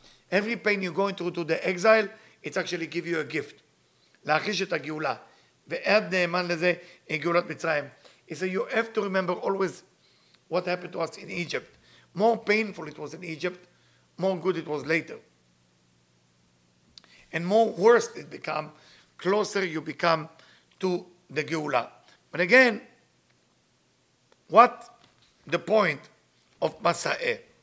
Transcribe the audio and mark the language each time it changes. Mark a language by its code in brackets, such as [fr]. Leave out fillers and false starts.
[en] Every pain you're going through to the exile, it's actually give you a gift. [he] להחיש את הגאולה. ועד נאמן לזה, גאולת מצרים. [en] He said, you have to remember always what happened to us in Egypt. More painful it was in Egypt, more good it was later. And more worse it become, closer you become to the גאולה. But again, what the point of Masa'e?